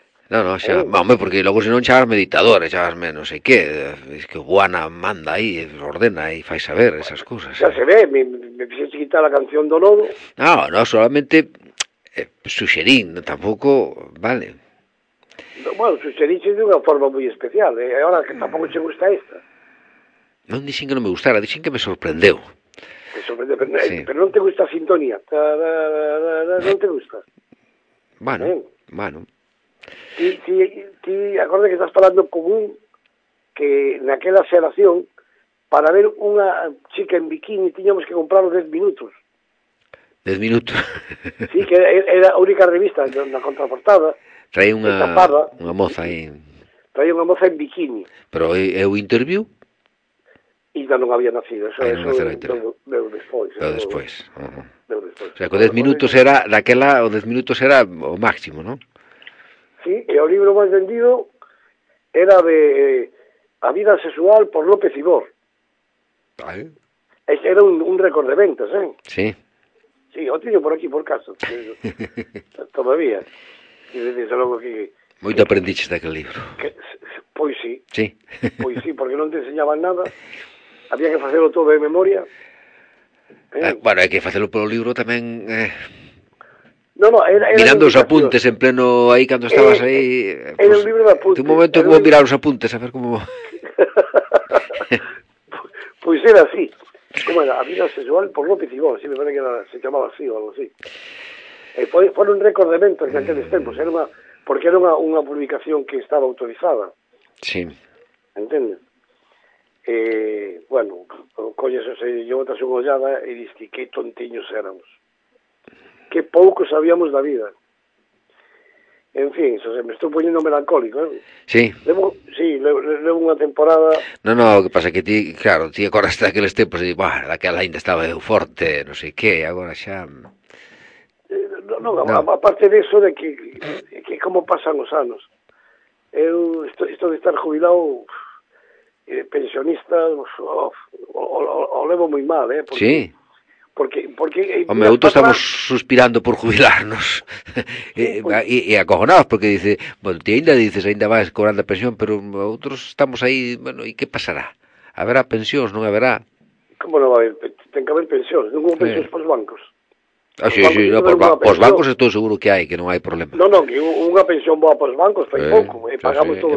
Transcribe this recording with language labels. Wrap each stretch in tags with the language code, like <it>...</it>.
<gl>Non, xa, hombre, porque logo senón chamasme ditador, chamasme non sei que, es que Buana manda aí, ordena e fai saber esas cousas. Xa se ve, me fixeste quitar a canción do nodo. Non, solamente suxerín, tampouco, vale. Bueno, suxeriche de unha forma moi especial, e agora que tampouco se gusta esta. Non dixen que non me gustara, dixen que me sorprendeu. Te sorprendeu, pero non te gusta a sintonía. Non te gusta. Bueno. Ti acorda que estás falando con un que naquela xeración para ver unha chica en bikini tiñamos que comprar 10 minutos. 10 minutos. Sí, que era a única revista na contraportada. Traía unha moza aí. Traía unha moza en bikini. Pero é o interview? E xa non había nacido. Veo despois. O sea, que 10 minutos era daquela, o 10 minutos era o máximo, non? Sí, e o libro máis vendido era de a vida sexual por López Ibor. ¿Eh? Era un récord de ventas, ¿eh? Sí.</gl> <es>Sí, lo tengo por aquí, por caso. Todavía. Y desde luego que...</es> <gl>Moito aprendiches daquele libro. Pois sí. Sí. Pois sí, porque non te enseñaban nada. Había que facelo todo de memoria. Bueno, hai que facelo polo libro tamén... Era mirando os apuntes en pleno aí cando estabas aí. Era pues, un libro de apuntes. Un momento como libro... mirar os apuntes, a ver como... Pois era así. Como era, a vida sexual por López Ibor, si me parece que era, se chamaba así o algo así. Foi un récord de ventas en aqueles tempos. Era unha... Porque era unha publicación que estaba autorizada. Sí. Entende? Bueno, coñes, o sea, yo botase unha ollada e dixi que tontiños éramos. Que pouco sabíamos da vida. En fin, o sea, me estou poñendo melancólico, ¿eh? Sí. Levo unha temporada... No, no, o que pasa que ti, claro, ti acordaste daqueles tempos e dixi, bueno, daquela ainda estaba eu forte, non sei que, agora xa... No.</gl> <es>Aparte de eso,</es> <gl>de que como pasan os anos. Eu, isto de estar jubilado, pensionista, o levo moi mal, ¿eh? Sí. Porque hombre, outros patra... estamos suspirando por jubilarnos. E acojonados, porque dice, bueno, ti ainda dices, ainda vas cobrando a pensión, pero outros estamos aí, bueno, e que pasará? Haberá pensións, non haberá? Como non haber? Ten que haber pensións, non houve pensións para os bancos. Ah, sí, no, os bancos estou seguro que hai, que non hai problema. Non, que unha pensión boa para os bancos, foi pouco, pagamos todos</gl>